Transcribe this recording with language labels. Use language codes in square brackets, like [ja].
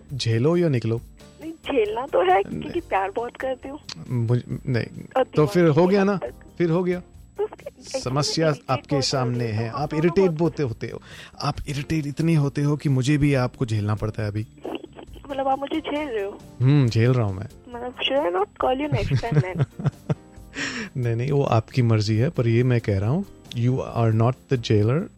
[hi] झेलो या निकलो. झेलना तो है क्योंकि प्यार बहुत करती हूँ. नहीं तो फिर हो गया ना, फिर हो गया. समस्या आपके सामने है, आप इरिटेट बोलते होते हो, आप इरिटेट इतने होते हो कि मुझे भी आपको झेलना पड़ता है अभी. मतलब आप मुझे झेल रहे हो? झेल रहा हूँ मैं. [en] मतलब should I not call you next time then? [hi] नहीं, वो आपकी मर्जी है, पर ये मैं कह रहा हूँ, [en] you are not the jailer.